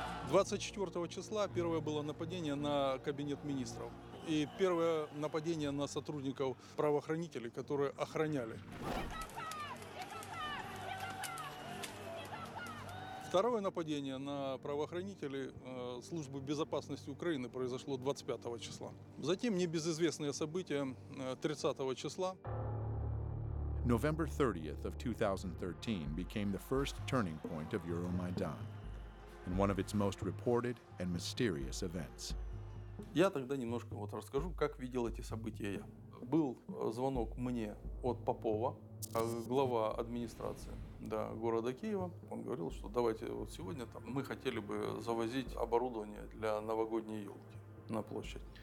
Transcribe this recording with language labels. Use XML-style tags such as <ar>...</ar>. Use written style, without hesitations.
<ru>24 числа первое было нападение на кабинет министров и первое нападение на сотрудников правоохранителей, которые охраняли. Второе нападение на правоохранителей службы безопасности Украины произошло 25 числа. Затем небезызвестное событие 30 числа.</ru> <en>November 30th of 2013 became the first turning point of Euromaidan. And one of its most reported and mysterious events.</en> <ru>Я тогда немножко вот расскажу, как видел эти события я. Был звонок мне от Попова, глава администрации, да, города Киева. Он говорил, что давайте вот сегодня там мы хотели бы завозить оборудование для новогодней елки на площадь.</ru>